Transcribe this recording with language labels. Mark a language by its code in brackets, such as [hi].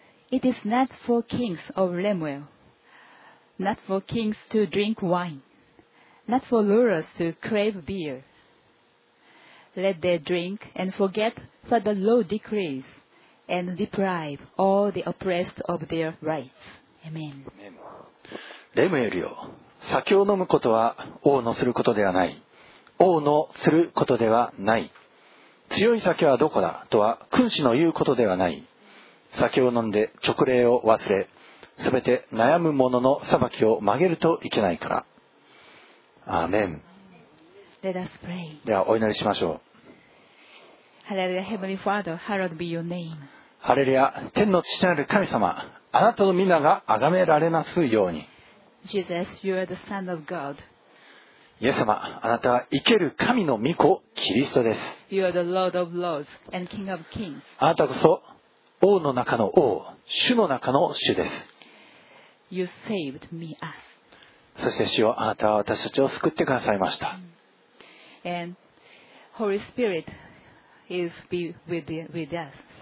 [en] It is not for kings of Lemuel, not for kings to drink wine, not for rulers to crave beer. Let them drink and forget what the law decrees, and deprive all the oppressed of their rights. Amen. [ja] レムエルよ、酒を飲むことは王のすることではない。王のすることではない。強い酒はどこだとは君主の言うことではない。酒を飲んで勅令を忘れ、すべて悩む者の裁きを曲げるといけないから。アーメン。 [en] Let us pray. [ja] ではお祈りしましょう。 [en] ハレルヤ、Heavenly Father, hallowed be your name. [ja] ハレルヤ、天の父なる神様、あなたの皆が崇められますように。 [en] Jesus, you are the Son of God. [ja] イエス様、あなたは生ける神の御子、キリストです。 [en] You are the Lord of Lords and King of Kings. [ja] あなたこそ、王の中の王、主の中の主です。 [en] You saved me us. [ja] そして主よ、あなたは私たちを救ってくださいました。 [en] And Holy Spirit is be with us.